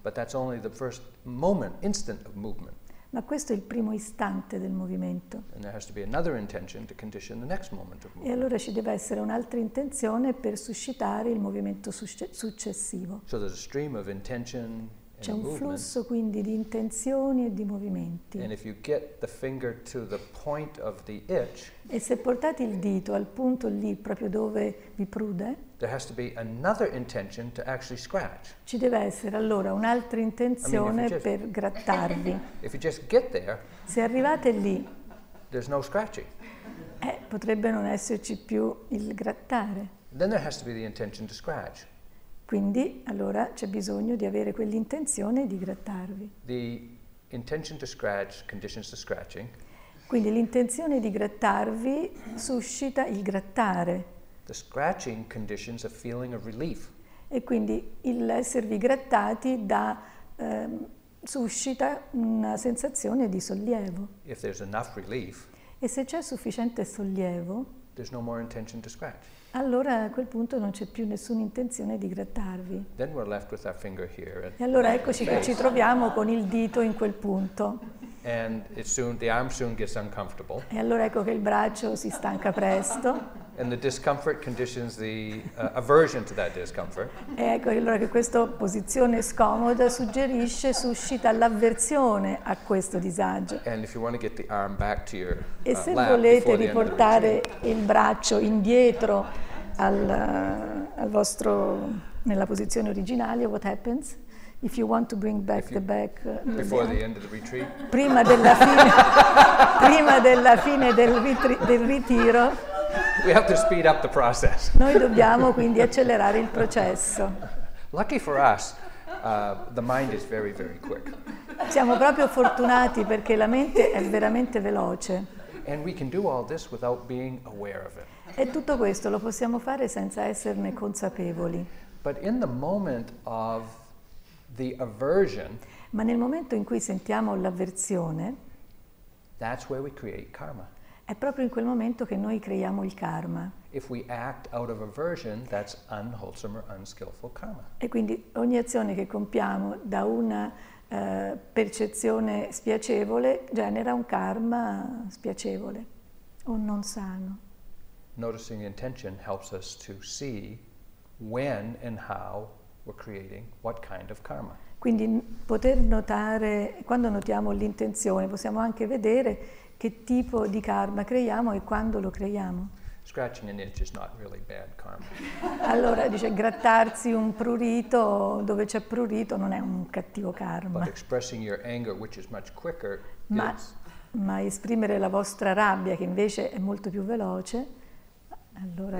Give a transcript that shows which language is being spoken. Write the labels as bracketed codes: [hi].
[en] But that's only the first moment, instant of movement. [it] Ma questo è il primo istante del movimento. [en] And there has to be another intention to condition the next moment of movement. [it] E allora ci deve essere un'altra intenzione per suscitare il movimento successivo. [en] So there's a stream of intention and movement. [it] C'è un flusso quindi di intenzioni e di movimenti. [en] And if you get the finger to the point of the itch. [it] E se portate il dito al punto lì proprio dove vi prude. [en] There has to be another intention to actually scratch. [it] Ci deve essere allora un'altra intenzione per grattarvi. [en] If you just get there, [it] se arrivate lì, [en] there's no scratching. [it] Potrebbe non esserci più il grattare. [en] Then there has to be the intention to scratch. [it] Quindi allora c'è bisogno di avere quell'intenzione di grattarvi. [en] The intention to scratch conditions the scratching. [it] Quindi l'intenzione di grattarvi suscita il grattare. [en] The scratching conditions a feeling of relief. [it] E quindi l'esservi grattati dà, suscita una sensazione di sollievo. [en] If there's enough relief, [it] e se c'è sufficiente sollievo, [en] there's no more intention to scratch. [it] Allora a quel punto non c'è più nessuna intenzione di grattarvi. [en] Then we're left with our finger here. [it] E allora eccoci che ci troviamo con il dito in quel punto. [en] And it soon, the arm soon gets uncomfortable. [it] E allora ecco che il braccio si stanca presto. [en] And the discomfort conditions the aversion to that discomfort. [it] E ecco allora che questa posizione scomoda suggerisce, suscita l'avversione a questo disagio. [en] And if you want to get the arm back to your [it] e se volete riportare il braccio indietro al, al vostro nella posizione originale, [en] what happens? If you want to bring back the back before the end of the retreat, [it] prima della fine, prima della fine del, del ritiro, [en] we have to speed up the process. [it] Noi dobbiamo quindi accelerare il processo. [en] Lucky for us, the mind is very, very quick. [it] Siamo proprio fortunati perché la mente è veramente veloce. [en] And we can do all this without being aware of it. [it] E tutto questo lo possiamo fare senza esserne consapevoli. [en] But in the moment of the aversion, [it] ma nel momento in cui sentiamo l'avversione, [en] that's where we create karma. [it] È proprio in quel momento che noi creiamo il karma. [en] If we act out of aversion, that's unwholesome or unskillful karma. [it] E quindi ogni azione che compiamo da una percezione spiacevole genera un karma spiacevole o non sano. [en] Noticing the intention helps us to see when and how we're creating what kind of karma. [it] Quindi poter notare, quando notiamo l'intenzione, possiamo anche vedere che tipo di karma creiamo e quando lo creiamo. [en] Scratching an itch is not really bad karma. [it] Allora dice grattarsi un prurito dove c'è prurito non è un cattivo karma. [en] But expressing your anger, which is much quicker, [it] ma esprimere la vostra rabbia, che invece è molto più veloce, allora